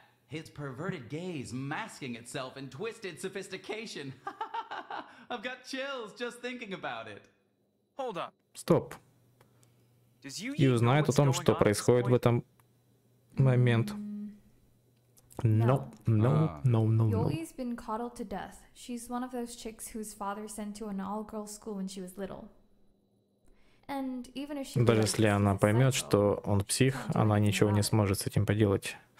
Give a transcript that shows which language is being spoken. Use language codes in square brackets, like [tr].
[en] His perverted gaze masking itself in twisted sophistication. I've got chills just thinking about it. Hold up. [ru] Стоп. Юи знает о том, что происходит в этом момент. [en] No. Юи's been coddled to death. She's one of those chicks whose father sent to an all-girls school when she was little. And even if she [ru] даже если она поймет, что он псих, она ничего не сможет с этим поделать.